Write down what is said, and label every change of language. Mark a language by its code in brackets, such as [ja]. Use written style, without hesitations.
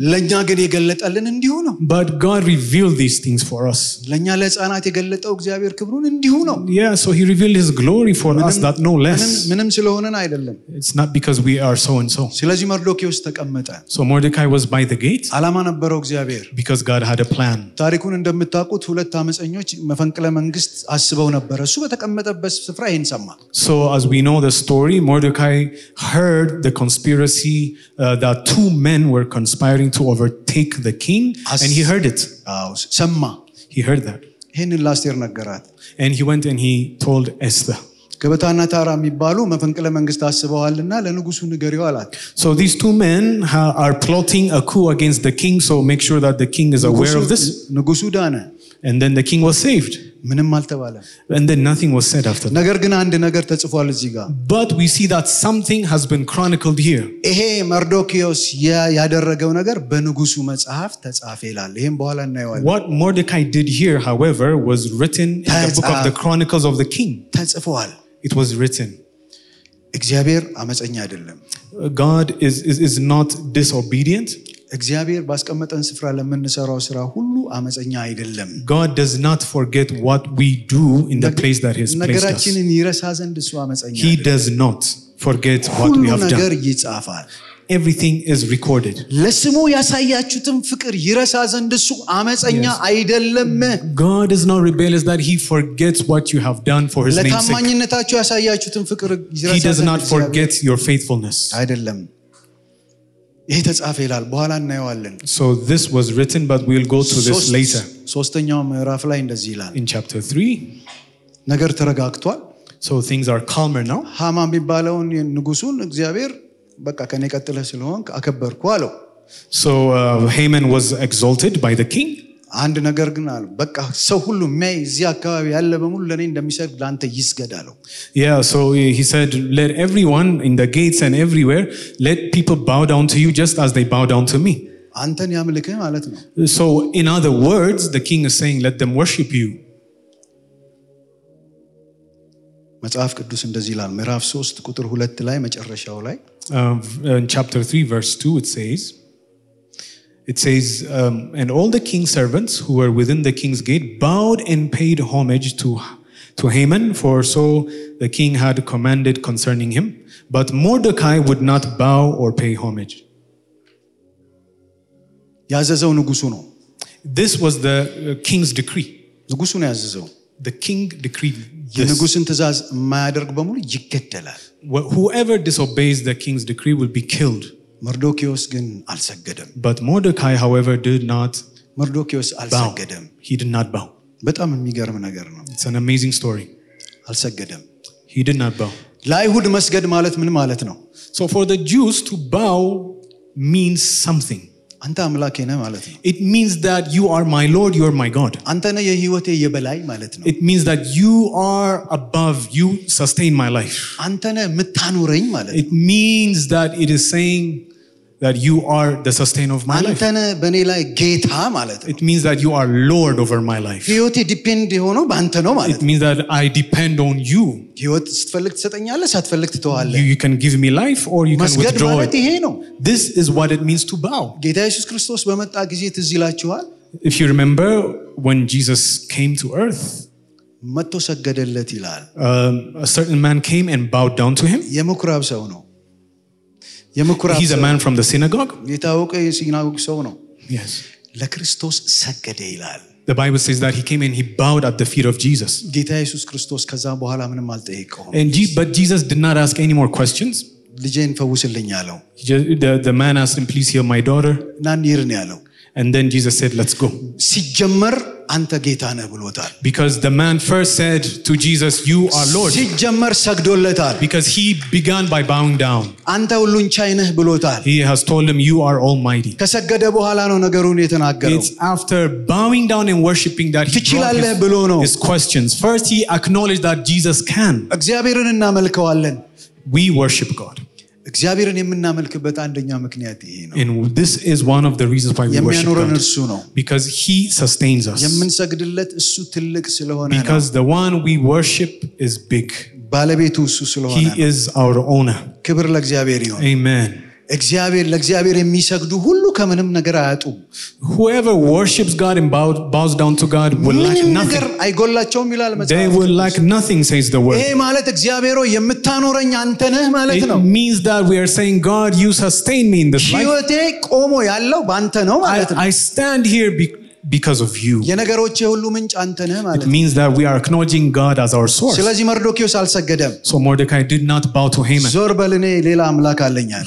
[am] ለኛ ግን የገለጠልን እንዲሁ ነው [en] but god revealed these things for us [am] ለኛ ለሕፃናት የገለጠው እግዚአብሔር ክብሩን እንዲሁ ነው [en] yeah so he revealed his glory for us that no less [am] ምንም ስለሆነን አይደለም [en] it's not because we are so and so [am] ስለዚህ መርዶክዮስ ተቀመጠ [en] so mordecai was by the gate [am] አላማ ነበረው እግዚአብሔር [en] because god had a plan [am] ታሪኩን እንደምታቁት ሁለት አመጸኞች መፈንቅለ መንግስት አስበው ነበር እሱ በተቀመጠበት ስፍራ ይሄን ሰማ [en] so as we know the story mordecai heard the conspiracy that two men were conspiring to overtake the king and he heard it [am] sama [en] he heard that hen last year nagarat and he went and he told Esther [am] ገበታና ታራ የሚባሉ መፈንቅለ መንግስት አስበዋልና ለንጉሱ ንገሪው አላት [en] so these two men are plotting a coup against the king so make sure that the king is aware of this [am] ንጉሱ ዳነ [en] and then the king was saved [am] ምንም አልተባለ [en] and then nothing was said after that [am] ነገር ግን አንድ ነገር ተጽፏል እዚህ ጋር [en] but we see that something has been chronicled here [am] ይሄ መርዶክዮስ ያደረገው ነገር በንጉሱ መጽሐፍ ተጻፈ ይላል ይሄን በኋላ እናየዋለን [en] what Mordecai did here however was written in the book of the chronicles of the king [am] ተጽፏል [en] it was written [am] እግዚአብሔር አመጸኛ አይደለም [en] god is not disobedient [am] እግዚአብሔር ባስቀመጠን ስፍራ ለምንሰራው ስራ ሁሉ አመጸኛ አይደለም [en] God does not forget what we do in the place that he has placed us [am] ነገራችንን ይረሳ ዘንድ እሱ አመጸኛ [en] He does not forget what we have done [am] ነገር ይጻፋል [en] Everything is recorded. [am] ለስሙ ያሳያችሁትን ፍቅር ይረሳ ዘንድ እሱ አመጸኛ አይደለም. [en] God is not rebellious that he forgets what you have done for his name's sake. [am] ለታማኝነታችሁ ያሳያችሁትን ፍቅር ይረሳ ዘንድ [en] He does not forget your faithfulness. [am] አይደለም. ይሄ ተጻፈ ይላል በኋላ እናየዋለን. [en] So this was written but we'll go through this later. [am] ሶስተኛው ምዕራፍ ላይ እንደዚህ ይላል. [en] In chapter 3 [am] ነገር ተረጋግቷል. [en] So things are calmer now. [am] ሐማን ቢባለውን ንጉሱን እግዚአብሔር በቃ ከኔ ቀጥለህ ስለሆንክ አከበርኩ አለው [en] so Haman was exalted by the king [am] አንድ ነገር ግን አለ በቃ ሰው ሁሉ ማይ እዚህ አካባቢ ያለ በሙሉ ለኔ እንደሚሰግድ ላንተ ይስገድ አለው [en] yeah so he said let everyone in the gates and everywhere let people bow down to you just as they bow down to me [am] አንተን ያምልከኝ ማለት ነው [en] so in other words the king is saying let them worship you [am] መጽሐፍ ቅዱስ እንደዚህ ይላል ምዕራፍ 3 ቁጥር 2 ላይ መጨረሻው ላይ [en] in chapter 3 verse 2 it says and all the king's servants who were within the king's gate bowed and paid homage to Haman for so the king had commanded concerning him but Mordecai would not bow or pay homage [am] ያዘዘው ንጉሱ ነው [en] this was the king's decree [am] ንጉሱ ነው ያዘዘው [en] the king decreed [am] የንጉሱን ትእዛዝ ማያደርግ በሙሉ ይገደላል [en] whoever disobeys the king's decree will be killed [am] mordecai ግን አልሰገደም [en] but mordecai however did not [am] mordecai አልሰገደም [en] he did not bow [am] በጣም የሚገርም ነገር ነው [en] it's an amazing story [am] አልሰገደም [en] he did not bow [am] ለአይሁድ መስገድ ማለት ምን ማለት ነው [en] so for the jews to bow means something [am] አንተ አምላኬ ነህ ማለት ነው [en] it means that you are my lord you are my god [am] አንተ ነህ የህይወቴ የበላይ ማለት ነው [en] it means that you are above you sustain my life [am] አንተ ነህ ምታኖረኝ ማለት ነው [en] it means that it is saying that you are the sustain of my life [am] አንተ ነህ በኔ ላይ ጌታ ማለት ነው [en] it means that you are lord over my life [am] ህይወቴ depend የሆነው በአንተ ነው ማለት [en] it means that I depend on you [am] ህይወት ስትፈልግ ትሰጠኛለህ ሳትፈልግ ትተዋለህ [en] you can give me life or you can withdraw [am] ማለት ይሄ ነው [en] this is what it means to bow [am] ጌታ ኢየሱስ ክርስቶስ በመጣ ጊዜ ትዝ ይላችኋል [en] if you remember when Jesus came to earth [am] መጥቶ ሰገደለት ይላል [en] a certain man came and bowed down to him [am] የምኩራብ ሰው ነው [en] He's a man from the synagogue? [am] የታወቀ የሲናጎግ ሰው ነው. [en] Yes. [am] ለክርስቶስ ሰገደ ይላል. [en] The Bible says that he came in, he bowed at the feet of Jesus. [am] ጌታ ኢየሱስ ክርስቶስ ከዛ በኋላ ምንም አልጠየቀው. [en] And Jesus did not ask any more questions. [am] ልጄን ፈውስልኝ አለው. [en] The man asked him, please heal my daughter. [am] ናን ይርን ያለው. [en] And then Jesus said, let's go. [am] ሲጀመር አንተ ጌታ ነህ ብሎታል. [en] Because the man first said to Jesus, you are Lord. [am] ሲጀመር ሰግዶለታል. [en] Because he began by bowing down. [am] አንተ ሁሉን ቻይ ነህ ብሎታል. [en] He has told him, you are almighty. [am] ከሰገደ በኋላ ነው ነገሩን የተናገረው. [en] It's after bowing down and worshiping that he [am] ትችላለህ ብሎ ነው. [en] His questions. First he acknowledged that Jesus can. [am] እግዚአብሔርን እናመልከዋለን. [en] We worship God. [am] እግዚአብሔርን የምናመልክበት አንደኛ ምክንያት ይሄ ነው. [en] And this is one of the reasons why we worship God. [am] የሚያኖረን እርሱ ነው. [en] Because he sustains us. [am] የምንሰግድለት እሱ ትልቅ ስለሆነ ነው. [en] Because the one we worship is big. [am] ባለቤቱ እሱ ስለሆነ ነው. [en] He is our owner. [am] ክብር ለእግዚአብሔር ይሁን. [en] Amen. [am] እግዚአብሔር ለእግዚአብሔር የሚሰግዱ ሁሉ ከምንም ነገር አያጡም. [en] Whoever worships God and bows down to God will lack nothing. [am] ምንም ነገር አይጎላቸውም ይላል መጽሐፍ. [en] They will lack nothing, says the word. [am] ይሄ ማለት እግዚአብሔር የምታኖረኝ አንተ ነህ ማለት ነው. [en] It means that we are saying, God, you sustain me in this life. [am] ሕይወቴ ቆሞ ያለው ባንተ ነው ማለት ነው. [en] I stand here because of you. [am] የነገሮች ሁሉ ምንጭ አንተ ነህ ማለት ነው. [en] It means that we are acknowledging God as our source. [am] ስለዚህ መርዶክዮስ አልሰገደም. [en] So Mordecai did not bow to Haman. [am] ዞር በል እኔ ሌላ አምላክ አለኝ አለ.